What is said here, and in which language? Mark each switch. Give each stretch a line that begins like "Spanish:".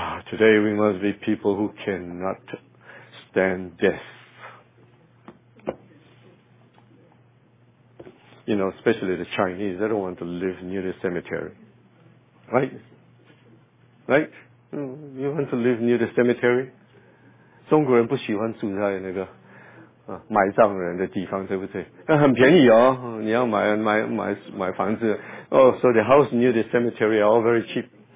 English: Today we must be people who cannot stand death. You know, especially the Chinese, they don't want to live near the cemetery. Right? You want to live near the cemetery?
Chinese: 中国人不喜欢住在那个 买葬人的地方，对不对？很便宜哦，你要买房子。
English: Oh, so the house near the cemetery are all very cheap.